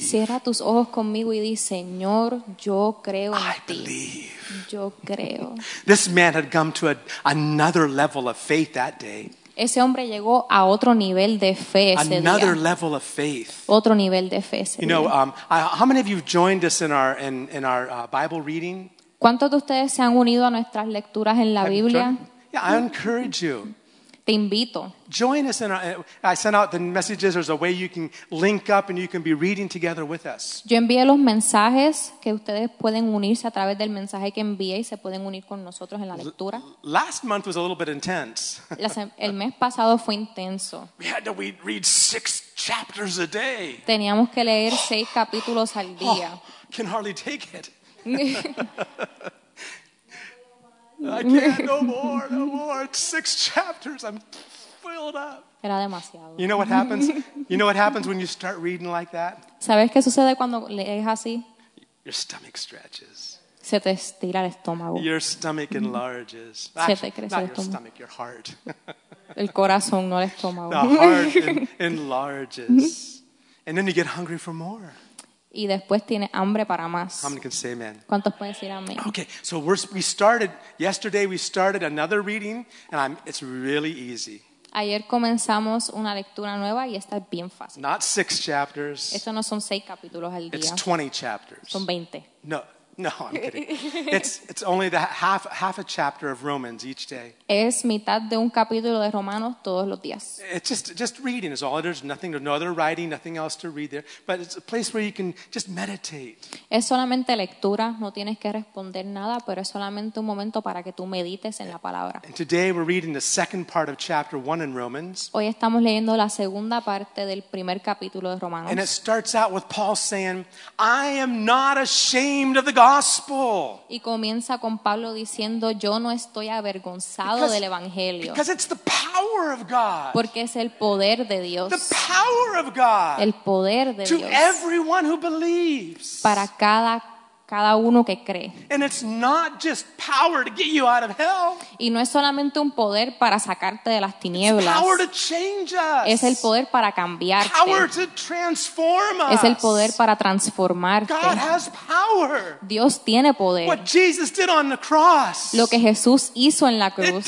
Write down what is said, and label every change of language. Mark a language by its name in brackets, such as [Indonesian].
[Spanish] Cierra tus ojos conmigo y di, Señor, yo creo en [English] I [Spanish] ti. [English] Believe. [Spanish] Yo creo. [English] This man had come to another level of faith that day. [Spanish] Ese hombre llegó a otro nivel de fe ese [English] Another [Spanish] día. [English] Another level of faith. [Spanish] Otro nivel de fe ese [English] You know, how many of you have joined us in our Bible reading? [Spanish] ¿Cuántos de ustedes se han unido a nuestras lecturas en la Biblia? [English] Yeah, I encourage you. [Spanish] Te invito. [English] Join us in I sent out the messages. There's a way you can link up and you can be reading together with us. [Spanish] Yo envié los mensajes que ustedes pueden unirse a través del mensaje que envié y se pueden unir con nosotros en la lectura. [English] Last month was a little bit intense. [Spanish] El mes pasado fue intenso. [English] We had to read 6 chapters a day. [Spanish] Teníamos que leer 6 capítulos al día. [English] Oh, can hardly take it. I can't no more. 6 chapters. I'm filled up. [Spanish] Era demasiado. [English] You know what happens? You know what happens when you start reading like that? [Spanish] ¿Sabes qué sucede cuando lees así? [English] Your stomach stretches. [Spanish] Se te estira el estómago. [English] Your stomach enlarges. [Spanish] Se te crece el estómago. [English] Not your stomach, your heart. [Spanish] El corazón, no el estómago. [English] The heart enlarges. And then you get hungry for more. [Spanish] Y después tiene hambre para más. [English] How many can say amen? [Spanish] ¿Cuántos pueden decir amén? [English] Okay, so we started another reading, and it's really easy. [Spanish] Ayer comenzamos una lectura nueva y esta es bien fácil. [English] Not 6 chapters. [Spanish] Esto no son 6 capítulos al día. [English] It's 20 chapters. [Spanish] Son 20. [English] No, I'm kidding. It's only the half a chapter of Romans each day. [Spanish] Es mitad de un capítulo de Romanos todos los días. [English] It's just reading is all. There's nothing, no other writing, nothing else to read there. But it's a place where you can just meditate. [Spanish] Es solamente lectura. No tienes que responder nada, pero es solamente un momento para que tú medites en la palabra. [English] And today we're reading the second part of chapter 1 in Romans. [Spanish] Hoy estamos leyendo la segunda parte del primer capítulo de Romanos. [English] And it starts out with Paul saying, "I am not ashamed of the gospel." [Spanish] Y comienza con Pablo diciendo, "Yo no estoy avergonzado del evangelio." [English] Because it's the power of God. [Spanish] Porque es el poder de Dios. [English] The power of God. [Spanish] El poder de Dios. [English] To everyone who believes. [Spanish] Para cada uno que cree. [English] And it's not just power to get you out of hell. [Spanish] Y no es solamente un poder para sacarte de las tinieblas. [English] It's power to change us. [Spanish] Es el poder para cambiarte. [English] Power to transform us. [Spanish] Es el poder para transformarte. [English] God has power. [Spanish] Dios tiene poder. [English] What Jesus did on the cross. [Spanish] Lo que Jesús hizo en la cruz.